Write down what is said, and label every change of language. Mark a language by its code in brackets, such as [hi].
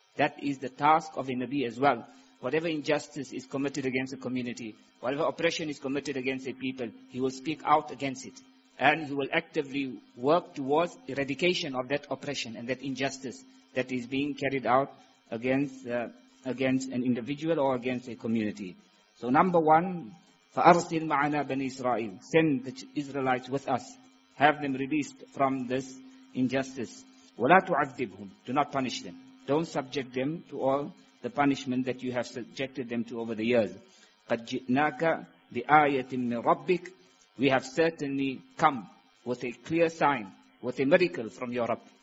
[en] That is the task of a Nabi as well. Whatever injustice is committed against a community, whatever oppression is committed against a people, he will speak out against it. And he will actively work towards eradication of that oppression and that injustice that is being carried out against an individual or against a community. So number one, [ar] فَأَرْسِلْ مَعَنَا بَنِي إِسْرَائِيلِ. [en] Send the Israelites with us. Have them released from this injustice. [ar] وَلَا تُعَذِّبْهُمْ. [en] Do not punish them. Don't subject them to all the punishment that you have subjected them to over the years. [ar] قَدْ جِئْنَاكَ بِآيَةٍ مِّن رَبِّكَ. [en] We have certainly come with a clear sign, with a miracle from your Rabb.